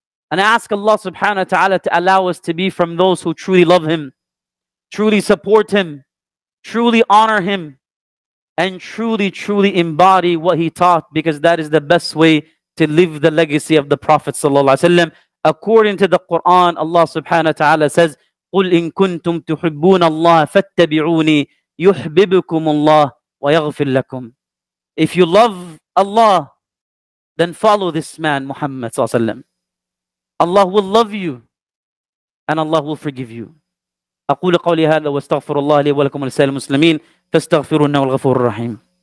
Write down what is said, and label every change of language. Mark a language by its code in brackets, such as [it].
[en] And I ask Allah subhanahu wa ta'ala to allow us to be from those who truly love him, truly support him, truly honor him, and truly, truly embody what he taught, because that is the best way to live the legacy of the Prophet sallallahu alaihi wasallam. According to the Quran, Allah subhanahu wa ta'ala says, [ar] قُلْ إِن كُنْتُمْ تُحِبُّونَ اللَّهَ فَاتَّبِعُونِي يُحْبِبُكُمُ اللَّهُ وَيَغْفِرْ لَكُمْ. [en] If you love Allah, then follow this man, Muhammad sallallahu alaihi wasallam. Allah will love you, and Allah will forgive you. [ar] أقول قولي هذا واستغفر الله لي ولكم ولسائر المسلمين فاستغفرونا والغفور الرحيم.